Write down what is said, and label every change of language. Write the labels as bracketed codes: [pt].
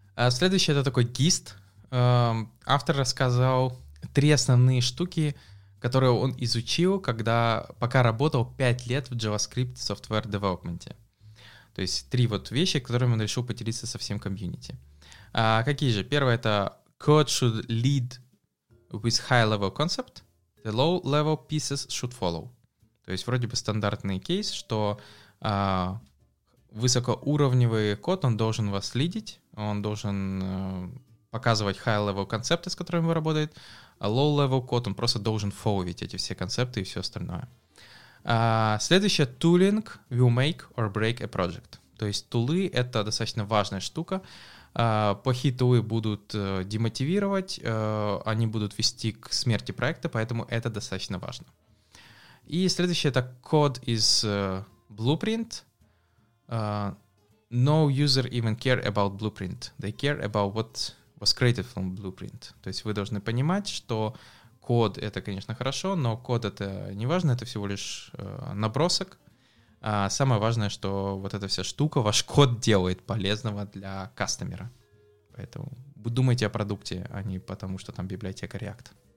[ru] Следующий — это такой гист. Автор рассказал три основные штуки, которые он изучил, когда пока работал 5 лет в JavaScript Software Development. То есть три вот вещи, которыми он решил поделиться со всем комьюнити. Какие же? Первое — это [en] code should lead with high-level concept, the low-level pieces should follow. [ru] То есть вроде бы стандартный кейс, что высокоуровневый код, он должен вас лидить, он должен показывать high-level концепты, с которыми вы работаете, а low-level код, он просто должен фолловить эти все концепты и все остальное. Следующее — [en] tooling will make or break a project. [ru] То есть тулы — это достаточно важная штука. Плохие тулы будут демотивировать, они будут вести к смерти проекта, поэтому это достаточно важно. И следующее — это [en] code is blueprint. No user even care about blueprint. They care about what was created from blueprint. [ru] То есть вы должны понимать, что код — это, конечно, хорошо, но код — это не важно, это всего лишь набросок. Самое важное, что вот эта вся штука, ваш код делает полезного для кастомера. Поэтому вы думайте о продукте, а не потому, что там библиотека React.